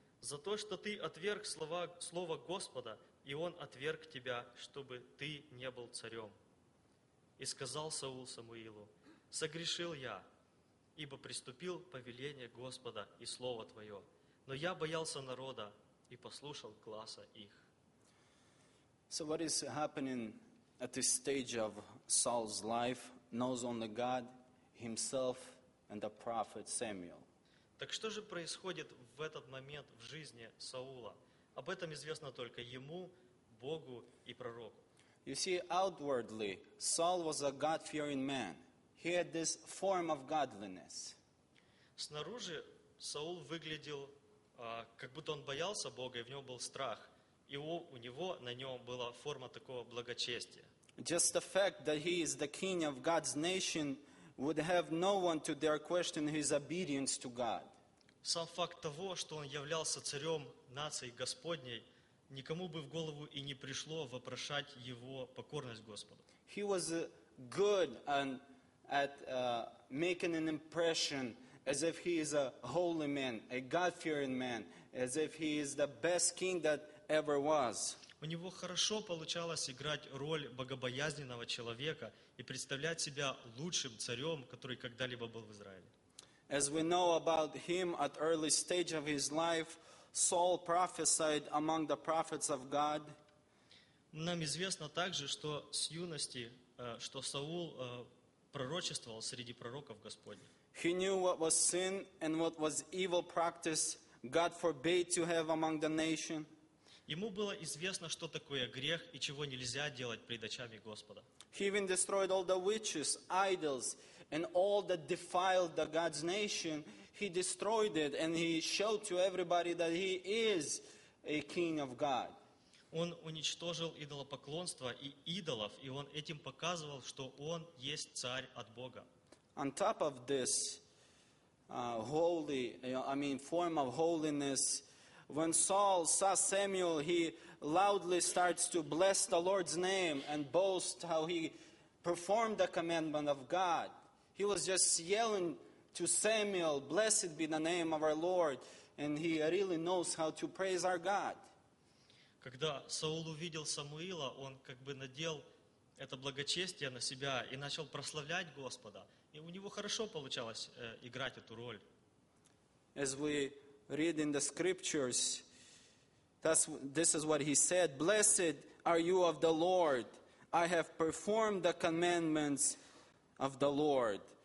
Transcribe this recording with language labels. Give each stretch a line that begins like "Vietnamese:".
Russian: За то, что ты отверг слово Господа, и он отверг тебя, чтобы ты не был царем». И сказал Саул Самуилу: «Согрешил я, ибо приступил повеление Господа и слово твое, но я боялся народа и послушал гласа их».
English: So what is happening at this stage of Saul's life knows only God, himself, and the prophet Samuel.
Russian: Так что же происходит в этот момент в жизни Саула? Об этом известно только ему, Богу и пророку.
English: You see, outwardly, Saul was a God-fearing man. He had this form of godliness.
Russian: Снаружи Саул выглядел, как будто он боялся Бога, и в нем был страх. И у него, на нем была форма такого благочестия.
English: Just the fact that he is the king of God's nation would have no one to dare question his obedience to God.
Russian: Сам факт того, что он являлся царем нации Господней, никому бы в голову и не пришло вопрошать его покорность Господу.
English: He was good at making an impression as if he is a holy man, a God-fearing man, as if he is the best king that ever was.
Russian: У него хорошо получалось играть роль богобоязненного человека и представлять себя лучшим царем, который когда-либо был в Израиле.
English: As we know about him, at early stage of his life, Saul prophesied among the prophets of God.
Russian: Нам известно также, что с юности, что Саул пророчествовал среди пророков Господних.
English: He knew what was sin and what was evil practice God forbade to have among the nation.
Russian: Ему было известно, что такое грех и чего нельзя делать пред очами Господа.
English: He even destroyed all the witches, idols, and all that defiled the God's nation. He destroyed it, and he showed to everybody that he is a king of God.
Russian: Он уничтожил идолопоклонство и идолов, и он этим показывал, что он есть царь от Бога.
English: On top of this form of holiness, when Saul saw Samuel, he loudly starts to bless the Lord's name and boast how he performed the commandment of God. He was just yelling to Samuel, blessed be the name of our Lord, and he really knows how to praise our God.
Russian: Когда Саул увидел Самуила, он как бы надел это благочестие на себя и начал прославлять Господа. И у него хорошо получалось играть эту роль.
English: As we read in the scriptures, this is what he said, blessed are you of the Lord. I have performed the commandments of the Lord.